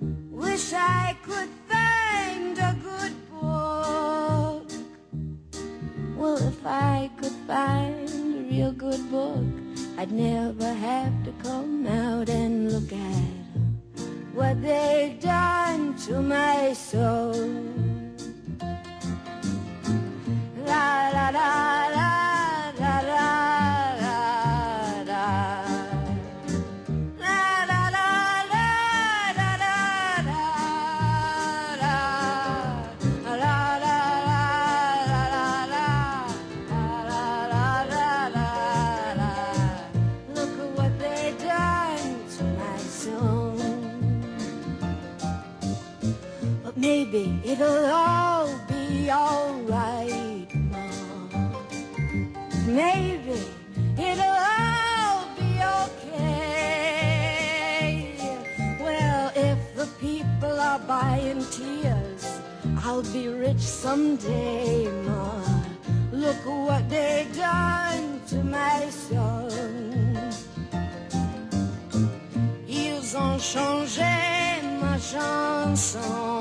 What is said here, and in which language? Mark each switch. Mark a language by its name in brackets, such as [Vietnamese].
[English] Wish I could find a good book. Well, if I could find a real good book, I'd never have to come out and look at what they done to my soul. La la la la la la la la la la la la la la la la la la la la la la la la la la la. Look at what they done to my soul. Maybe it'll all be all right, Ma. Maybe it'll all be okay. Well, if the people are buying tears, I'll be rich someday, Ma. Look what they done to to my soul. [French] Ils ont changé ma chanson.